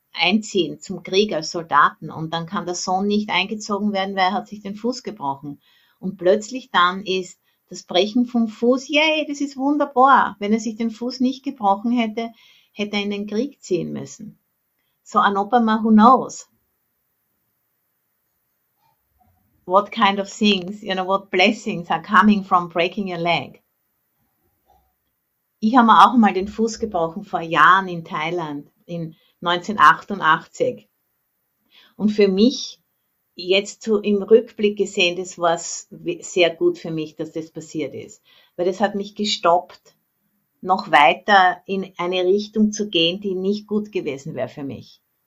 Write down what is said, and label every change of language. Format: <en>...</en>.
<de>einziehen zum Krieg als Soldaten und dann kann der Sohn nicht eingezogen werden, weil er hat sich den Fuß gebrochen. Und plötzlich dann ist das Brechen vom Fuß, yay, das ist wunderbar. Wenn er sich den Fuß nicht gebrochen hätte, hätte er in den Krieg ziehen müssen.</de> <en>So an Obama, who knows? What kind of things, you know, what blessings are coming from breaking your leg?</en> <de>Ich habe mir auch mal den Fuß gebrochen vor Jahren in Thailand, in 1988. Und für mich, jetzt so im Rückblick gesehen, das war sehr gut für mich, dass das passiert ist. Weil das hat mich gestoppt, noch weiter in eine Richtung zu gehen, die nicht gut gewesen wäre für mich.</de>